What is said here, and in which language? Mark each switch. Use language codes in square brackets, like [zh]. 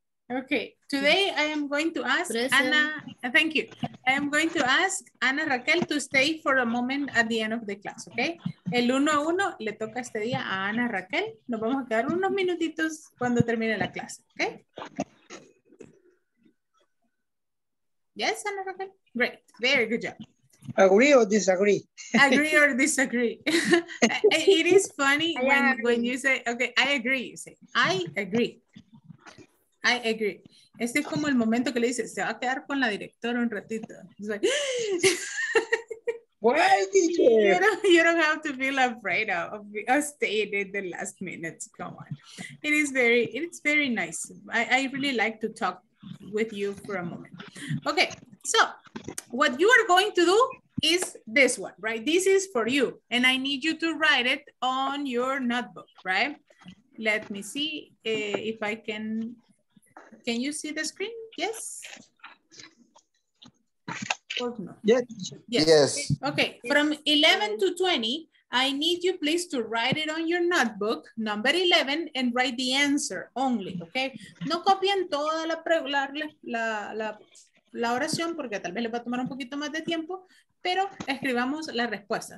[en] Okay, today I am going to ask Ana, thank you. I am going to ask Ana Raquel to stay for a moment at the end of the class, okay? [es] El uno a uno le toca este día a Ana Raquel. Nos vamos a quedar unos minutitos cuando termine la clase, okay? [en] Yes, Ana Raquel? Great, very good job. Agree or disagree? Agree or disagree. It is funny when you say, okay, I agree. You say, I agree. I agree. [es] Este es como el momento que le dices, se va a quedar con la directora un ratito. [en] It's like, why, teacher? You don't have to feel afraid of staying in the last minutes. Come on. It's very nice. I really like to talk with you for a moment. Okay, so what you are going to do is this one, right? This is for you, and I need you to write it on your notebook, right? Let me see if I can. Can you see the screen? Yes. Or no? Yes. Okay. From 11 to 20, I need you please to write it on your notebook, number 11, and write the answer only, okay? [es] No copien toda la oración porque tal vez le va a tomar un poquito más de tiempo, pero escribamos la respuesta.